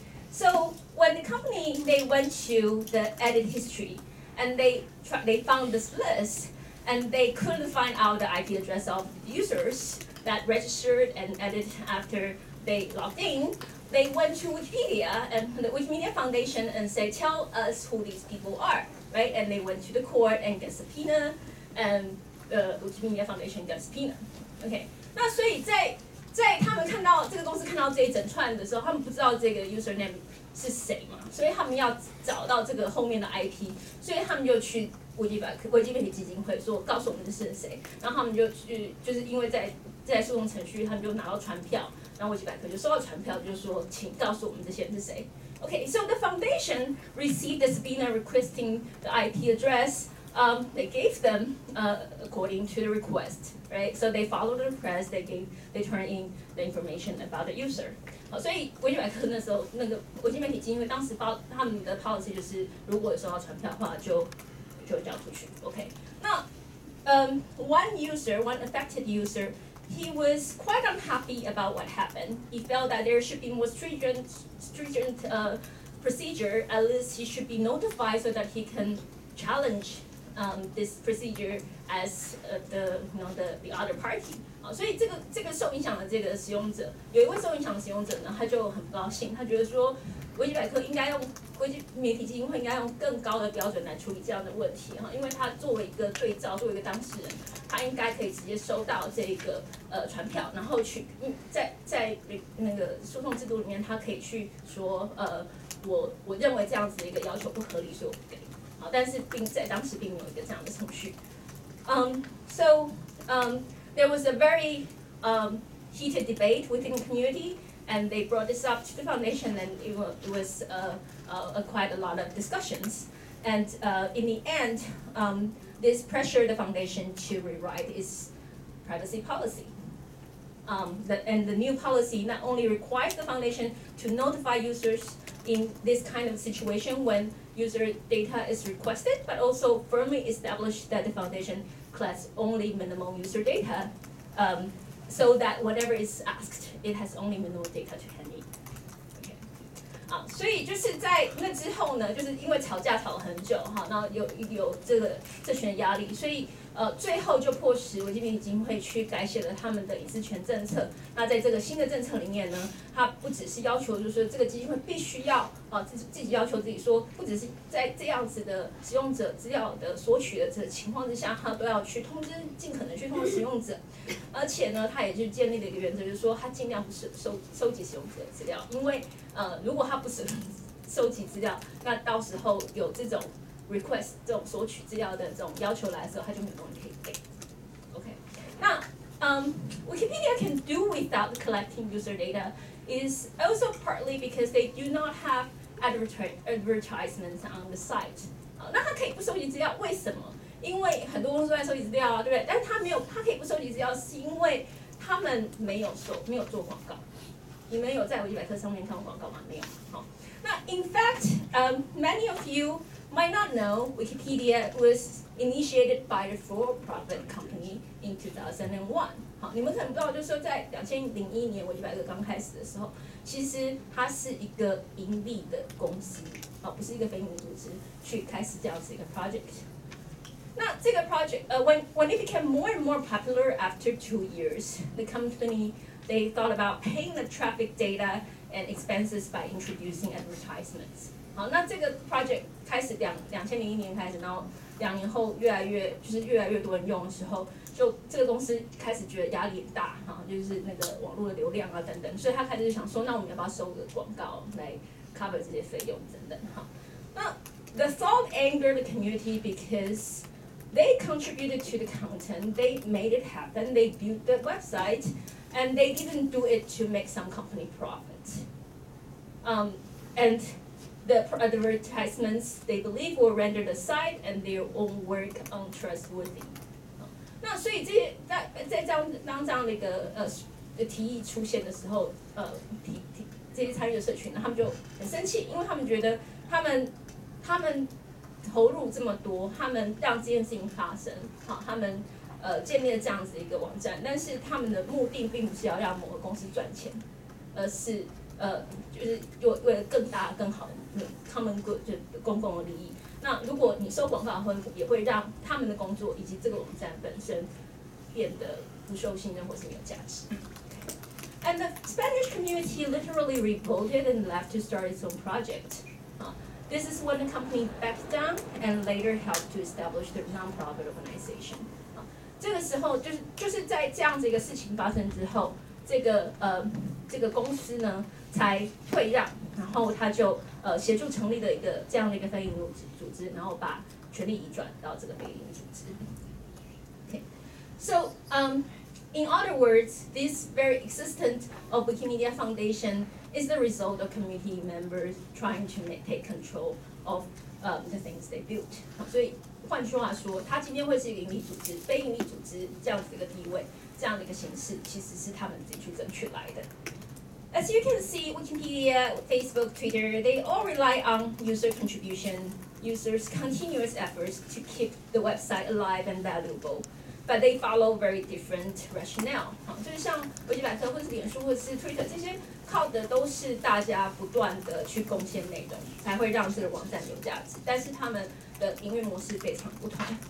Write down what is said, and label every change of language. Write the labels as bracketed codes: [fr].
[en] So when the company, they went to the edit history and they found this list and they couldn't find out the IP address of the users that registered and edited after they logged in, they went to Wikipedia and the Wikimedia Foundation and said, tell us who these people are, right? And they went to the court and get subpoena and the Wikimedia Foundation got subpoena. [zh] Okay, 那所以在他们看到这个公司看到这一整串的时候，他们不知道这个 username 是谁嘛，所以他们要找到这个后面的 IP， 所以他们就去维基媒体基金会说告诉我们这是谁，然后他们就去，就是因为在诉讼程序，他们就拿到传票，然后维基百科就收到传票，就说请告诉我们这些人是谁。 [en] OK， so the foundation received a subpoena requesting the IP address. They gave them according to the request. Right, so they followed the request. They turn in the information about the user. [zh] 好，所以维基百科那时候那个维基媒体基金会当时报他们的 policy 就是，如果收到传票的话就交出去。 [en] OK， [zh] 那 [en] one affected user, he was quite unhappy about what happened. He felt that there should be more stringent procedure. At least he should be notified so that he can challenge. This procedure as the other party. [zh] 所以这个受影响的这个使用者，有一位受影响的使用者呢，他就很不高兴，他觉得说维基百科应该用维基媒体基金会应该用更高的标准来处理这样的问题，因为他作为一个对照，作为一个当事人，他应该可以直接收到这个传票，然后去在那个诉讼制度里面，他可以去说我认为这样子的一个要求不合理，所以我不给。好，但是在当时并没有一个这样的程序。 [en] There was a very heated debate within the community, and they brought this up to the foundation, and it was quite a lot of discussions. And in the end, this pressured the foundation to rewrite its privacy policy. The new policy not only requires the foundation to notify users in this kind of situation whenuser data is requested, but also firmly established that the foundation collects only minimal user data, so that whatever is asked, it has only minimal data to hand in. Okay. [zh] 所以就是在那之后呢，就是因为吵架吵了很久哈，然后有这个政权的压力，所以最后就迫使维基媒体基金会去改写了他们的隐私权政策。那在这个新的政策里面呢，它不只是要求，就是这个基金会必须要自己要求自己说，不只是在这样子的使用者资料的索取的这情况之下，它都要去通知，尽可能去通知使用者。而且呢，它也就建立了一个原则，就是说它尽量不是收集使用者的资料，因为如果它不是收集资料，那到时候有这种request 这种索取资料的这种要求来的时候，他就没有东西可以给。 [en] OK， [zh] 那 [en] Wikipedia can do without collecting user data is also partly because they do not have advertisements on the site。 [zh] 那他可以不收集资料，为什么？因为很多公司都在收集资料啊，对不对？但他没有，他可以不收集资料，是因为他们没有做广告。你们有在维基百科上面看过广告吗？没有。那 [en] in fact， many of you。 Might not know Wikipedia was initiated by a for-profit company in 2001. [zh] 好，你们可能不知道，就是说在2001年维基百科刚开始的时候，其实它是一个盈利的公司，好，不是一个非营利组织去开始这样子一个 project。那这个 [en] project， when it became more and more popular after 2 years, the company they thought about paying the traffic data and expenses by introducing advertisements. [zh] 好，那这个 project 开始2001年开始，然后两年后越来越多人用的时候，就这个公司开始觉得压力很大哈，就是那个网络的流量啊等等，所以他开始想说，那我们要不要收个广告来 cover 这些费用等等哈。那 [en] the thought angered the community because they contributed to the content, they made it happen, they built the website, and they didn't do it to make some company profit. And the advertisements they believe will render the site and their own work untrustworthy. [zh] 那所以这些在当这样的一个提议出现的时候，这些参与的社群呢，他们就很生气，因为他们觉得他们投入这么多，他们让这件事情发生，好，他们建立了这样子一个网站，但是他们的目的并不是要让某个公司赚钱，而是就是为了更大更好的common good， 就是公共的利益。那如果你收广告的话，也会让他们的工作以及这个网站本身变得不受信任或是没有价值。 [en] And the Spanish community literally revolted and left to start its own project. This is when the company backed down and later helped to establish their non-profit organization. [zh] 这个时候就是在这样子一个事情发生之后，这个公司呢才退让，然后他就协助成立了一个这样的一个非营利组织，然后把权力移转到这个非营利组织。 [en] Okay. So, in other words, this very existence of Wikimedia Foundation is the result of community members trying to take control of the things they built. [zh] 所以换句话说，它今天会是一个盈利组织、非营利组织这样子一个地位、这样的一个形式，其实是他们自己去争取来的。 [en] As you can see, Wikipedia, Facebook, Twitter, they all rely on user contribution, users' continuous efforts to keep the website alive and valuable. But they follow very different rationale. [zh] 好，就是像维基百科或是脸书或是 Twitter 这些，靠的都是大家不断的去贡献内容，才会让这个网站有价值。但是他们的营运模式非常不同。